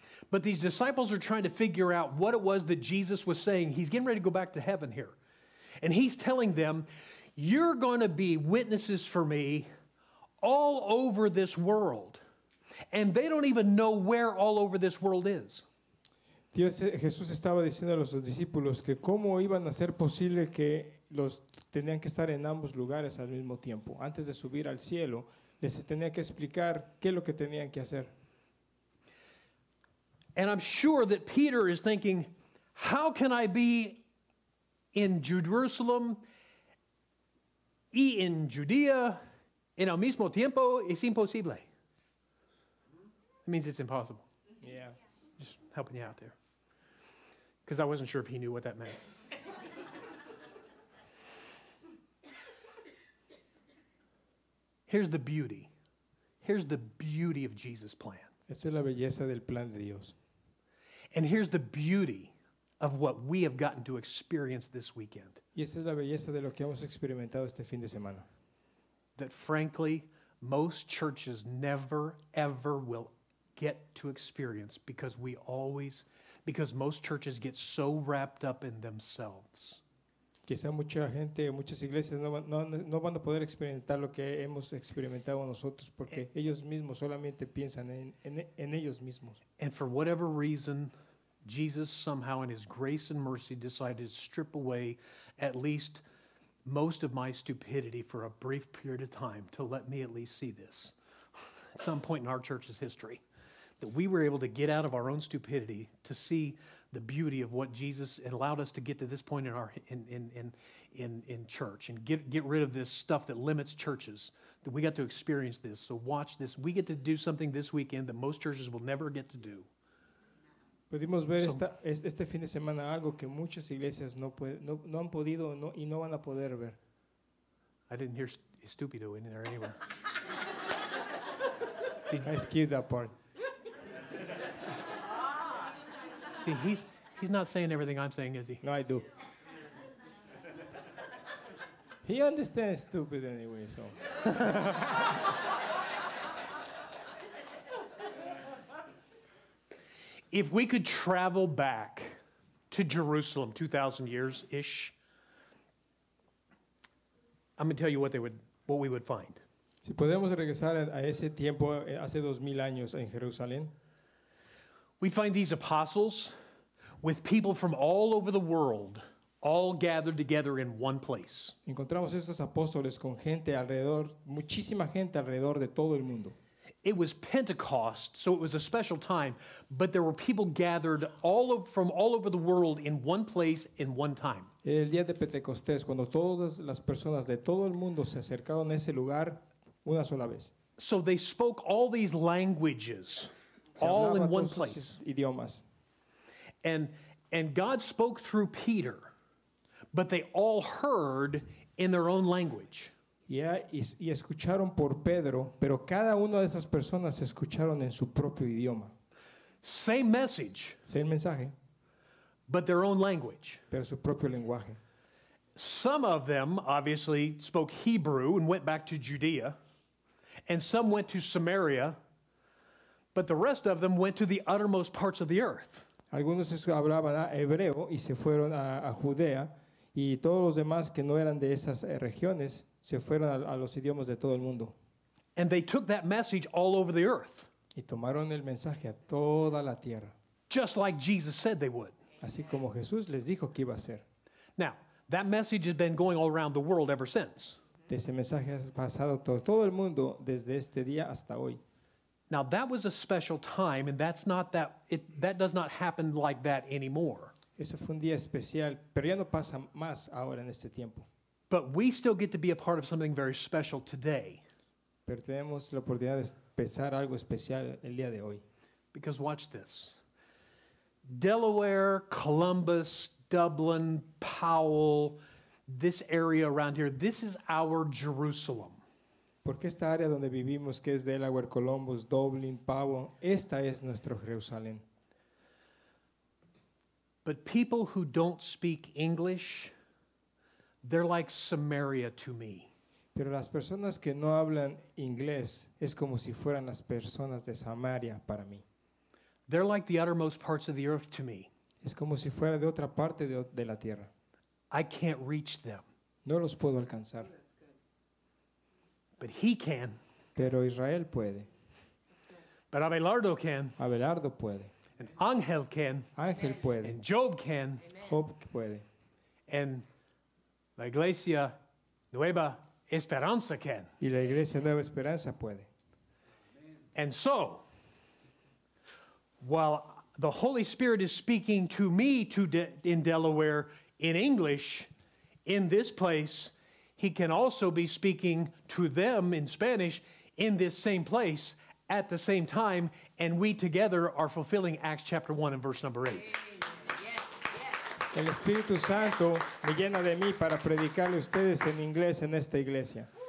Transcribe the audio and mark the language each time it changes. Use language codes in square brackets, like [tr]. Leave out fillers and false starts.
[en] But these disciples are trying to figure out what it was that Jesus was saying. He's getting ready to go back to heaven here. And he's telling them, you're going to be witnesses for me all over this world. And they don't even know where all over this world is. [es] Jesús estaba diciendo a los discípulos que cómo iban a ser posible que los tenían que estar en ambos lugares al mismo tiempo. Antes de subir al cielo, les tenía que explicar qué es lo que tenían que hacer. [en] And I'm sure that Peter is thinking, how can I be in Jerusalem, [es] y en Judea, en el mismo tiempo, es imposible. [en] It means it's impossible. Yeah. Just helping you out there. Because I wasn't sure if he knew what that meant. Here's the beauty. Here's the beauty of Jesus' plan. [es] Esa es la belleza del plan de Dios. [en] And here's the beauty of what we have gotten to experience this weekend. [es] Y esa es la belleza de lo que hemos experimentado este fin de semana. [en] That frankly, most churches never, ever will get to experience because most churches get so wrapped up in themselves. [es] Quizá mucha gente, muchas iglesias no van a poder experimentar lo que hemos experimentado nosotros porque ellos mismos solamente piensan en ellos mismos. [en] And for whatever reason, Jesus somehow in his grace and mercy decided to strip away at least most of my stupidity for a brief period of time to let me at least see this at some point in our church's history, that we were able to get out of our own stupidity to see the beauty of what Jesus allowed us to get to this point in our in church and get rid of this stuff that limits churches. That we got to experience this. So watch this. We get to do something this weekend that most churches will never get to do. [es] Pudimos ver este fin de semana algo que muchas iglesias no han podido y no van a poder ver. [en] I didn't hear stupido in there anywhere. I skipped that part. See, he's not saying everything I'm saying, is he? No, I do. He understands stupid anyway, so. If we could travel back to Jerusalem 2,000 years-ish, I'm going to tell you what we would find. [es] Si podemos regresar a ese tiempo, hace 2,000 años en Jerusalén. [en] We find these apostles with people from all over the world, all gathered together in one place. [es] Encontramos estos apóstoles con gente alrededor, muchísima gente alrededor de todo el mundo. [en] It was Pentecost, so it was a special time, but there were people gathered from all over the world in one place in one time. [es] El día de Pentecostés, cuando todas las personas de todo el mundo se acercaron a ese lugar una sola vez. [en] So they spoke all these languages, all in one place. [es] Idiomas. [en] And God spoke through Peter, but they all heard in their own language. [es] Y escucharon por Pedro, pero cada una de esas personas escucharon en su propio idioma. [en] Same message. Same [es] mensaje. [en] But their own language. [es] Pero su propio lenguaje. [en] Some of them obviously spoke Hebrew and went back to Judea, and some went to Samaria, but the rest of them went to the uttermost parts of the earth. [es] Algunos hablaban hebreo y se fueron a Judea, y todos los demás que no eran de esas regiones se fueron a los idiomas de todo el mundo. [en] And they took that message all over the earth. [es] Y tomaron el mensaje a toda la tierra. [en] Just like Jesus said they would. [es] Así como Jesús les dijo que iba a hacer. [en] Now, that message has been going all around the world ever since. [es] Ese mensaje ha pasado todo el mundo desde este día hasta hoy. [en] Now that was a special time, and that's not that it that does not happen like that anymore. [es] Eso fue un día especial, pero ya no pasa más ahora en este tiempo. [en] But we still get to be a part of something very special today. [es] Pero tenemos la oportunidad de pensar algo especial el día de hoy. [en] Because watch this. Delaware, Columbus, Dublin, Powell, this area around here, this is our Jerusalem. [es] Porque esta área donde vivimos, que es Delaware, Columbus, Dublin, Pavo, esta es nuestro Jerusalén. [en] But people who don't speak English, they're like Samaria to me. [es] Pero las personas que no hablan inglés es como si fueran las personas de Samaria para mí. [en] They're like the uttermost parts of the earth to me. [es] Es como si fuera de otra parte de la tierra. [en] I can't reach them. [es] No los puedo alcanzar. [en] But he can. [es] Pero Israel puede. [en] But Abelardo can. [es] Abelardo puede. [en] And Ángel can. [es] Ángel puede. [en] And Job can. [es] Job puede. [en] And la Iglesia Nueva Esperanza can. [es] Y la Iglesia Nueva Esperanza puede. [en] And so, while the Holy Spirit is speaking to me to in Delaware in English, in this place, he can also be speaking to them in Spanish in this same place at the same time, and we together are fulfilling Acts chapter 1 and verse number 8. [es] El Espíritu Santo me llena de mí para predicarle a ustedes en inglés en esta iglesia.